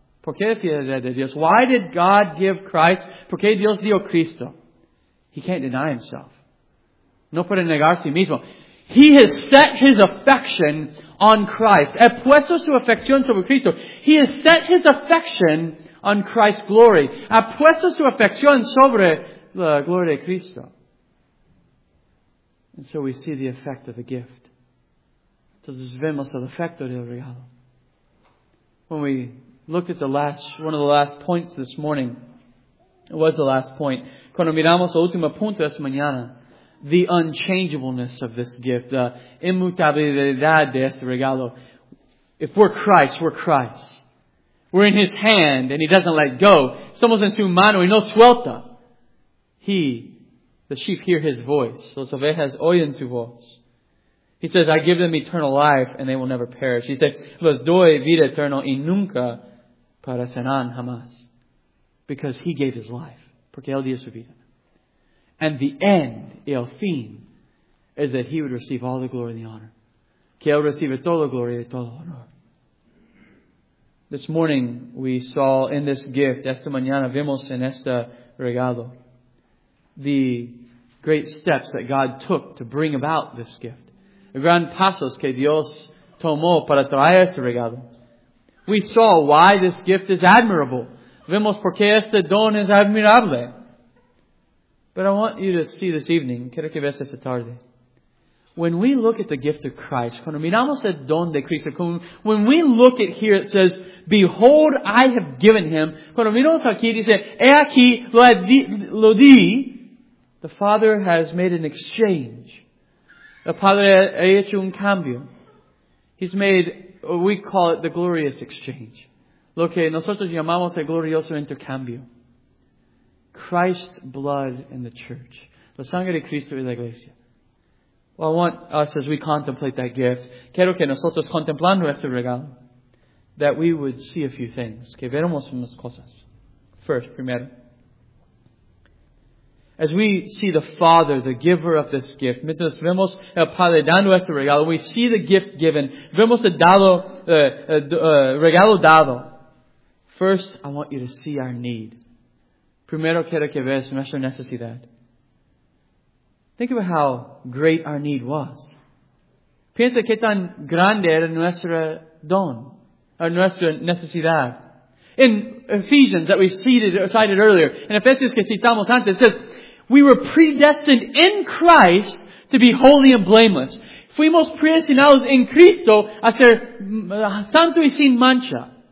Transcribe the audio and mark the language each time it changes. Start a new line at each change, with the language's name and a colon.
Spanish: ¿Por qué la fidelidad de Dios?
English: Why did God give Christ?
Spanish: ¿Por qué Dios dio Cristo?
English: He can't deny himself.
Spanish: No puede negar a sí mismo.
English: He has set his affection on Christ.
Spanish: He puesto su afección sobre Cristo.
English: He has set his affection on Christ's glory.
Spanish: He puesto su afección sobre la gloria de Cristo.
English: And so we see the effect of the gift.
Spanish: Entonces vemos el efecto del regalo.
English: When we looked at one of the last points this morning, it was the last point.
Spanish: Cuando miramos el último punto esta mañana,
English: the unchangeableness of this gift, the
Spanish: inmutabilidad de este regalo.
English: If we're Christ, we're Christ. We're in his hand and he doesn't let go.
Spanish: Somos en su mano y no suelta.
English: He, the sheep, hear his voice.
Spanish: Los ovejas oyen su voz.
English: He says, I give them eternal life and they will never perish. He said,
Spanish: los doy vida eterna y nunca perecerán jamás.
English: Because he gave his life.
Spanish: Porque él dio su vida.
English: And the end,
Spanish: el fin,
English: is that he would receive all the glory and the honor.
Spanish: Que él reciba toda la gloria y todo el honor.
English: This morning we saw in this gift,
Spanish: esta mañana vimos en este regalo,
English: the great steps that God took to bring about this gift.
Spanish: The gran pasos que Dios tomó para traer este regalo.
English: We saw why this gift is admirable.
Spanish: Vemos por qué este don es admirable.
English: But I want you to see this evening,
Spanish: quiero que veas esta tarde.
English: When we look at the gift of Christ,
Spanish: cuando miramos el don de Cristo,
English: when we look at here, it says, behold, I have given him.
Spanish: Cuando miramos aquí, dice, he aquí, lo di.
English: The Father has made an exchange.
Spanish: El Padre ha hecho un cambio.
English: He's made, we call it the glorious exchange.
Spanish: Lo que nosotros llamamos el glorioso intercambio.
English: Christ's blood in the church.
Spanish: La sangre de Cristo y la iglesia.
English: Well, I want us, as we contemplate that gift,
Spanish: quiero que nosotros contemplando este regalo,
English: that we would see a few things.
Spanish: Que veremos unas cosas.
English: First,
Spanish: primero.
English: As we see the Father, the giver of this gift,
Spanish: mientras vemos el Padre dando este regalo,
English: we see the gift given,
Spanish: vemos el dado, regalo dado.
English: First, I want you to see our need.
Spanish: Primero quiero que veas nuestra necesidad.
English: Think about how great our need was.
Spanish: Piensa qué tan grande era nuestra don, or nuestra necesidad.
English: In Ephesians that we cited earlier, in Ephesians
Spanish: que citamos antes,
English: it says, we were predestined in Christ to be holy and blameless.
Spanish: Fuimos predestinados en Cristo a ser santo y sin mancha.